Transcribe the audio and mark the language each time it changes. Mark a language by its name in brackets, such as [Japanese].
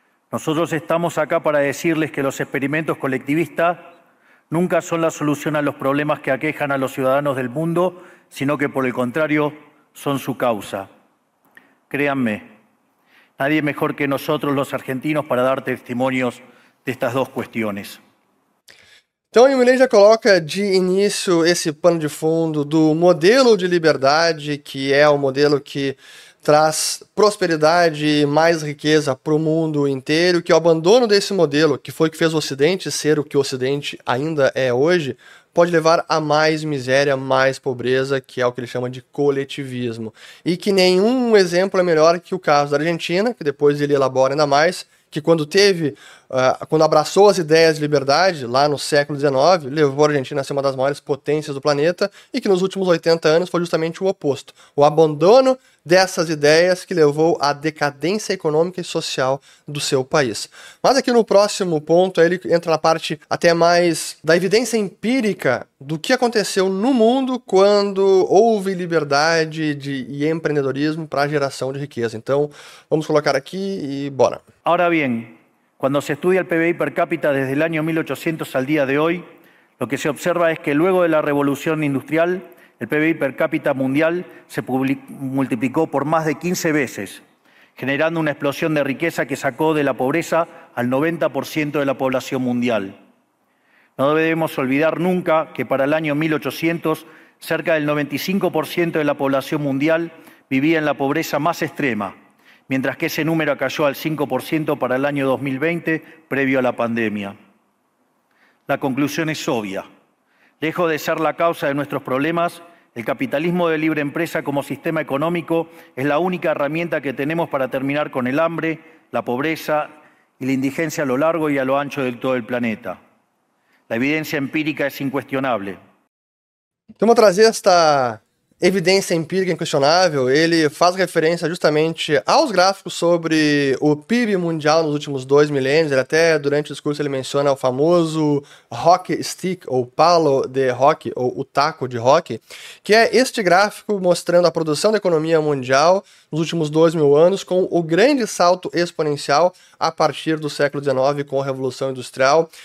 [Spanish] Nosotros estamos acá para decirles que los experimentos colectivistas nunca son la solución a los problemas que aquejan a los ciudadanos del mundo, sino que por el contrario son su causa. Créanme, nadie mejor que nosotros los argentinos para dar testimonios de estas dos cuestiones. [Portuguese] Então, o Milei já coloca de início esse pano de fundo do modelo de liberdade, que é o modelo que traz prosperidade e mais riqueza para o mundo inteiro, que o abandono desse modelo, que foi o que fez o Ocidente ser o que o Ocidente ainda é hoje, pode levar a mais miséria, mais pobreza, que é o que ele chama de coletivismo. E que nenhum exemplo é melhor que o caso da Argentina, que depois ele elabora ainda mais, que quando abraçou as ideias de liberdade, lá no século XIX, levou a Argentina a ser uma das maiores potências do planeta, e que nos últimos 80 anos foi justamente o oposto. O abandono dessas ideias que levou à decadência econômica e social do seu país. Mas aqui no próximo ponto, ele entra na parte até mais da evidência empírica do que aconteceu no mundo quando houve liberdade e empreendedorismo para geração de riqueza. Então, vamos colocar aqui e bora. [Spanish] Ahora bien, cuando se estudia el PBI per cápita desde el año 1800 al día de hoy, lo que se observa es que luego de la revolución industrial, el PBI per cápita mundial se multiplicó por más de 15 veces, generando una explosión de riqueza que sacó de la pobreza al 90% de la población mundial. No debemos olvidar nunca que para el año 1800, cerca del 95% de la población mundial vivía en la pobreza más extrema, mientras que ese número cayó al 5% para el año 2020, previo a la pandemia. La conclusión es obvia. Lejos de ser la causa de nuestros problemas, el capitalismo de libre empresa como sistema económico es la única herramienta que tenemos para terminar con el hambre, la pobreza y la indigencia a lo largo y a lo ancho de todo el planeta. La evidencia empírica es incuestionable. [Portuguese] Então, vou trazer esta evidência empírica inquestionável. Ele faz referência justamente aos gráficos sobre o PIB mundial nos últimos 2 milênios. Ele até, durante o discurso, ele menciona o famoso hockey stick, ou [Spanish] palo de hockey, [Portuguese] ou o taco de hockey, que é este gráfico mostrando a produção da economia mundial nos últimos 2000 anos, com o grande salto exponencial a partir do século XIX, com a Revolução Industrial,